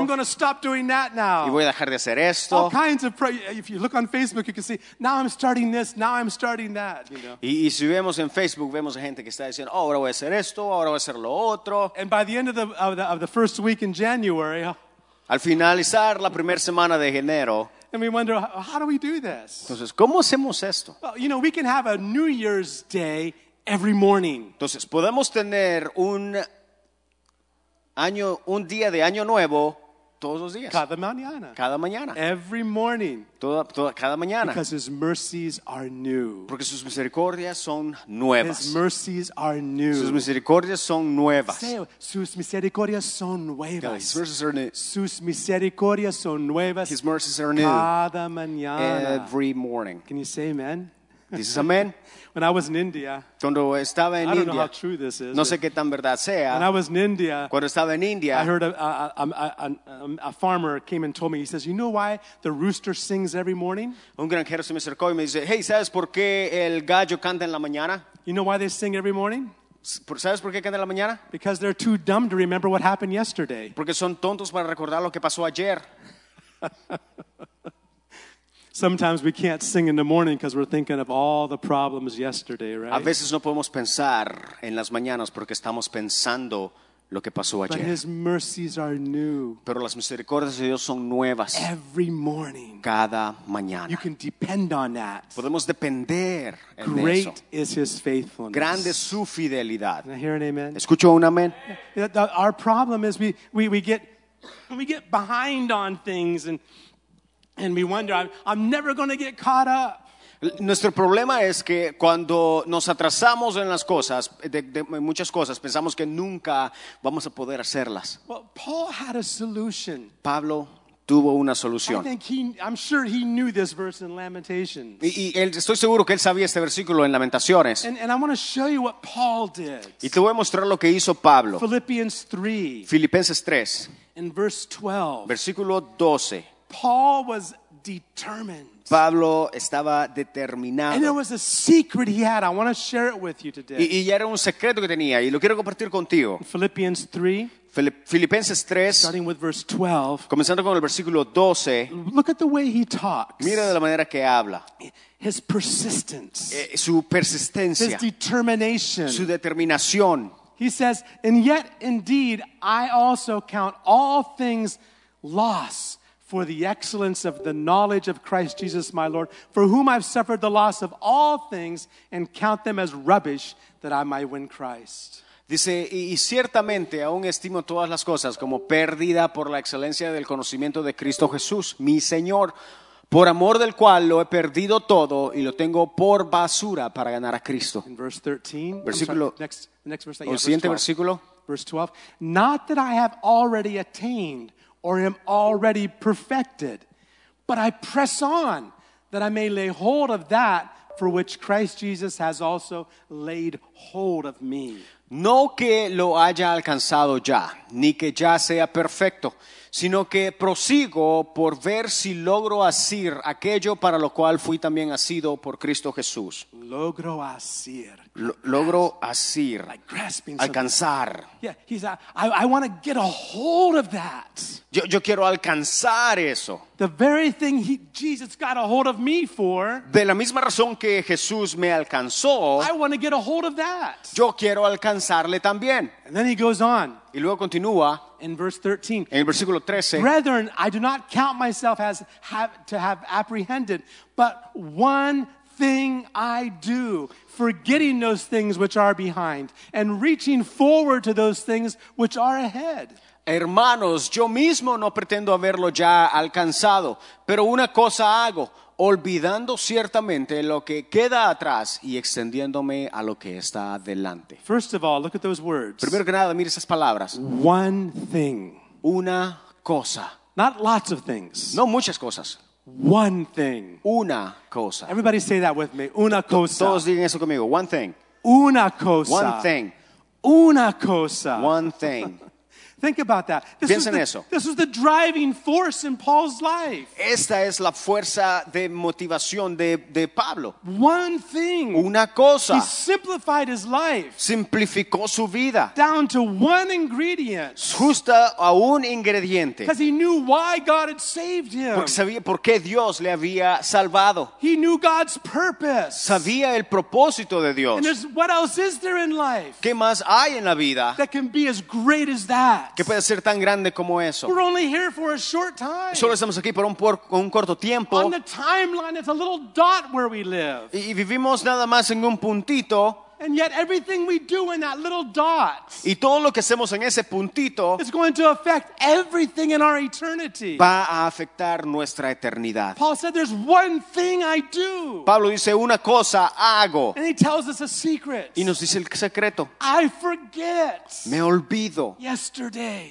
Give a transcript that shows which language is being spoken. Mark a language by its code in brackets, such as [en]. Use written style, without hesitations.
[en] And I'm going to stop doing that now. [es] Y voy a dejar de hacer esto. [en] All kinds of if you look on Facebook, you can see now I'm starting this, now I'm starting that. You know. [es] Y si vemos en Facebook vemos a gente que está diciendo, oh, ahora voy a hacer esto, ahora voy a hacer lo otro. [en] And by the end of the first week in January. [es] Al finalizar la primera semana de enero. [en] And we wonder, how do we do this? [es] Entonces, ¿cómo hacemos esto? [en] Well, you know, we can have a New Year's Day every morning. [es] Entonces, podemos tener un día de año nuevo todos los días. Cada mañana. Cada mañana. [en] Every morning. [es] Cada mañana. [en] Because his mercies are new. [es] Porque sus misericordias son nuevas. [en] His mercies are new. [es] Sus misericordias son nuevas. Sus misericordias son nuevas. [en] His mercies are new. [es] Sus misericordias son nuevas. [en] His mercies are new. [es] Cada mañana. [en] Every morning. Can you say amen? [es] Dices amén. [en] When I was in India, [es] cuando estaba en [en] I don't [es] India, [en] know how true this is. [es] No sé qué tan verdad sea. [en] When I was in India, [es] cuando estaba en India, [en] I heard a farmer came and told me. He says, "You know why the rooster sings every morning?" [es] Un granjero se me acercó y me dice, "Hey, ¿sabes por qué el gallo canta en la mañana?" [en] You know why they sing every morning? [es] ¿Sabes por qué canta en la mañana? [en] Because they're too dumb to remember what happened yesterday. [es] Porque son tontos para recordar lo que pasó ayer. [en] Sometimes we can't sing in the morning because we're thinking of all the problems yesterday, right? [es] A veces no podemos pensar en las mañanas porque estamos pensando lo que pasó ayer. [en] But His mercies are new. [es] Pero las misericordias de Dios son nuevas. [en] Every morning. [es] Cada mañana. [en] You can depend on that. [es] Podemos depender en eso. [en] Great is His faithfulness. [es] Grande es su fidelidad. [en] Can I hear an amen? [es] ¿Escucho un amén? [en] Our problem is we get behind on things and we wonder, I'm never going to get caught up. [es] Nuestro problema es que cuando nos atrasamos en las cosas, de muchas cosas, pensamos que nunca vamos a poder hacerlas. [en] Well, Paul had a solution. [es] Pablo tuvo una solución. [en] I'm sure he knew this verse in Lamentations. [es] Y él, estoy seguro que él sabía este versículo en Lamentaciones. [en] And I want to show you what Paul did. [es] Y te voy a mostrar lo que hizo Pablo. [en] Philippians 3. [es] Filipenses 3. [en] In verse 12. [es] Versículo 12. [en] Paul was determined. [es] Pablo estaba determinado. [en] And there was a secret he had. I want to share it with you today. [es] Y era un secreto que tenía y lo quiero compartir contigo. [en] In Philippians 3. [es] Filipenses 3. [en] Starting with verse 12. [es] Comenzando con el versículo 12. [en] Look at the way he talks. [es] Mira de la manera que habla. [en] His persistence. [es] Su persistencia. [en] His determination. [es] Su determinación. [en] He says, "And yet indeed I also count all things loss for the excellence of the knowledge of Christ Jesus my Lord, for whom I've suffered the loss of all things and count them as rubbish that I might win Christ." [es] Dice, y ciertamente aún estimo todas las cosas como pérdida por la excelencia del conocimiento de Cristo Jesús, mi Señor, por amor del cual lo he perdido todo y lo tengo por basura para ganar a Cristo. [en] In verse 13, [es] versículo, [en] sorry, next verse, yeah, [es] el siguiente [en] verse 12, [es] versículo. [en] Verse 12, not that I have already attained or am already perfected, but I press on that I may lay hold of that for which Christ Jesus has also laid hold of me. [es] No que lo haya alcanzado ya, ni que ya sea perfecto, sino que prosigo por ver si logro asir aquello para lo cual fui también asido por Cristo Jesús. Logro asir. Logro asir. [en] Like grasping. [es] Alcanzar. [en] Yeah, he's I want to get a hold of that. [es] Yo quiero alcanzar eso. [en] The very thing Jesus got a hold of me for. [es] De la misma razón que Jesús me alcanzó. [en] I want to get a hold of that. [es] Yo quiero alcanzarle también. [en] And then he goes on. [es] Y luego continúa. [en] In verse 13. [es] En el versículo 13. [en] Brethren, I do not count myself as to have apprehended, but one thing I do, forgetting those things which are behind and reaching forward to those things which are ahead. [es] Hermanos, yo mismo no pretendo haberlo ya alcanzado, pero una cosa hago, olvidando ciertamente lo que queda atrás y extendiéndome a lo que está delante. [en] First of all, look at those words. [es] Primero que nada, mire esas palabras. [en] One thing. [es] Una cosa. [en] Not lots of things. [es] No muchas cosas. [en] One thing. [es] Una cosa. [en] Everybody say that with me. [es] Una cosa. Todos digan eso conmigo. [en] One thing. [es] Una cosa. [en] One thing. [es] Una cosa. [en] One thing. Think about that. This was the driving force in Paul's life. [es] Esta es la fuerza de motivación de Pablo. [en] One thing. [es] Una cosa. [en] He simplified his life. [es] Simplificó su vida. [en] Down to one ingredient. [es] Justo a un ingrediente. [en] Because he knew why God had saved him. [es] Porque sabía por qué Dios le había salvado. [en] He knew God's purpose. [es] Sabía el propósito de Dios. [en] And what else is there in life? [es] ¿Qué más hay en la vida? [en] That can be as great as that. [es] Que puede ser tan grande como eso. [en] We're only here for a short time. [es] Solo estamos aquí por un corto tiempo. [en] On the timeline, it's a little dot where we live. [es] Y vivimos nada más en un puntito. [en] And yet everything we do in that little dot, [es] y todo lo que hacemos en ese puntito, [en] is going to affect everything in our eternity. [es] Va a afectar nuestra eternidad. [en] Paul said, "There's one thing I do." [es] Pablo dice, una cosa hago. [en] And he tells us a secret. [es] Y nos dice el secreto. [en] I forget. [es] Me olvido. [en] Yesterday.